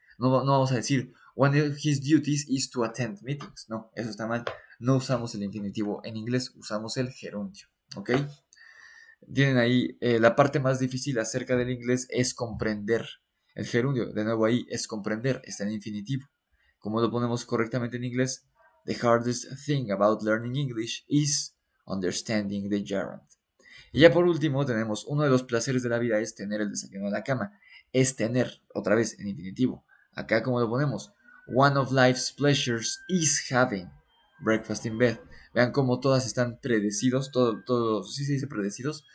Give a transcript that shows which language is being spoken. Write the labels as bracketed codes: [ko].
[es] No vamos a decir, [en] one of his duties is to attend meetings. [es] No, eso está mal. No usamos el infinitivo en inglés, usamos el gerundio. ¿Ok? Tienen ahí la parte más difícil acerca del inglés es comprender. El gerundio, de nuevo ahí, es comprender, está en infinitivo. ¿Cómo lo ponemos correctamente en inglés? [en] The hardest thing about learning English is understanding the gerund. [es] Y ya por último, tenemos uno de los placeres de la vida es tener el desayuno en la cama. Es tener, otra vez, en infinitivo. Acá, ¿cómo lo ponemos? [en] One of life's pleasures is having. Breakfast in bed. [es] Vean cómo todas están predecidos. Sí se dice predecidos.